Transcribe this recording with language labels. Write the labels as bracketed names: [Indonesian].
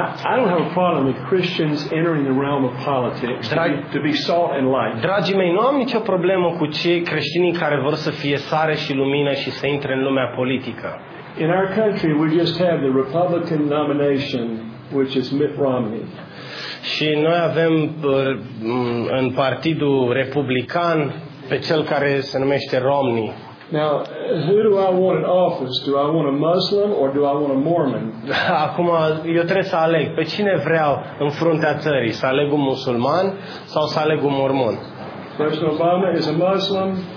[English] I don't have a problem with Christians entering the realm of politics to be salt and light. [Romanian] Dragii mei, nu am nicio problemă cu cei creștini care vor să fie sare și lumină și să intre în lumea politică. [English] In our country, we just have the Republican nomination, which is Mitt Romney. [Romanian] Și noi avem în partidul Republican pe cel care se numește Romney. [English] Now, who do I want in office? Do I want a Muslim or do I want a Mormon? [Romanian] Acum eu trebuie să aleg. Pe cine vreau în fruntea țării? Să aleg un musulman sau să aleg un mormon? [English] President Obama is a Muslim.